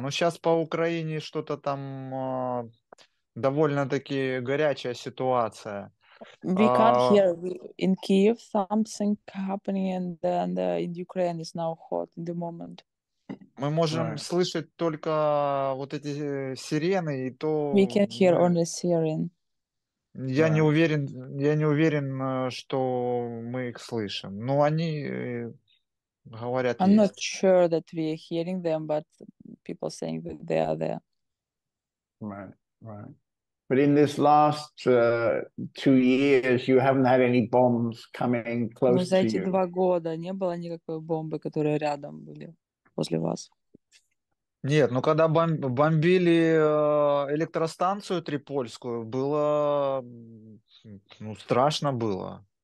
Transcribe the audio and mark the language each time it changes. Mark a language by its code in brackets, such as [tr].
[ru] Но сейчас по Украине что-то там довольно-таки горячая ситуация. [en] We can't hear in Kiev something happening, and then in Ukraine is now hot in the moment. [ru] Мы можем слышать только вот эти сирены, и то. [en] We can hear only siren. [ru] Я не уверен, что мы их слышим. Но они говорят. [en] I'm not sure that we are hearing them, but people saying that they are there. Right. But in this last 2 years, you haven't had any bombs coming close to you. [ru] За эти два года не было никакой бомбы, которые рядом были возле вас. Нет, ну когда бомбили электростанцию Трипольскую, было ну страшно было.